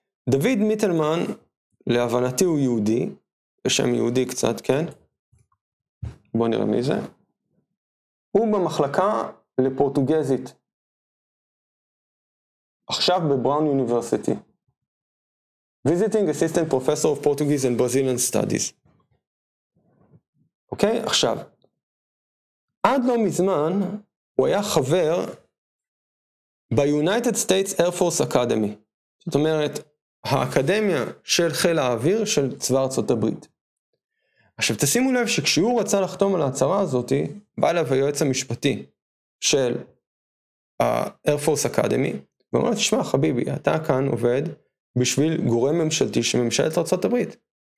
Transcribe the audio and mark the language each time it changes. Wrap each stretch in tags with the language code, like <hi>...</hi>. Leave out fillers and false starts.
<he>דוד מיטלמן, להבנתי הוא יהודי, בשם יהודי קצת, כן? בוא נראה מי זה. הוא במחלקה לפורטוגזית, עכשיו בבראון יוניברסיטי.</he> <en>Visiting Assistant Professor of Portuguese and Brazilian Studies.</en> <he>אוקיי? Okay, עכשיו, עד לא מזמן, הוא היה חבר ב-United States Air Force Academy. זאת אומרת, האקדמיה של חיל האוויר של צבא ארצות הברית. עכשיו, תשימו לב שכשהוא רצה לחתום על ההצהרה הזאת, בא אליו היועץ המשפטי של ה-Air Force Academy, ואומר, תשמע, חביבי, אתה כאן עובד, בשביל גורם ממשלתי שממשלת ארצות הברית.</he>